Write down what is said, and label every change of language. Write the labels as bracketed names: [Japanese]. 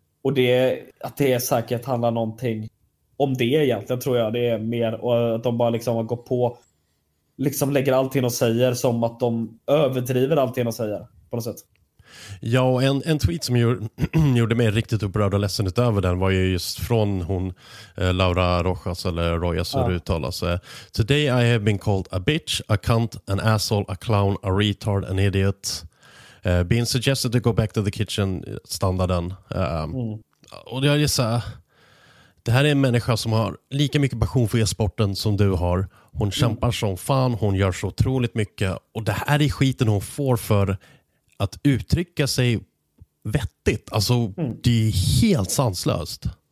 [Swedish] Och det, att det säkert handlar någonting om det egentligen, tror jag. Det är mer att de bara liksom går på, liksom lägger allting och säger som att de överdriver allting och säger på något sätt. Ja, och en tweet som gjorde mig riktigt upprörd och ledsen utöver den var ju just från hon, Laura Rojas eller Rojas, hur det uttalas. [English] Today I have been called a bitch, a cunt, an asshole, a clown, a retard, an idiot. Being suggested to go back to the kitchen, standarden. [Swedish] Och jag gissar, det här är en människa som har lika mycket passion för e-sporten som du har. Hon kämpar som fan, hon gör så otroligt mycket. Och det här är skiten hon får för att uttrycka sig vettigt. Alltså, det är helt sanslöst.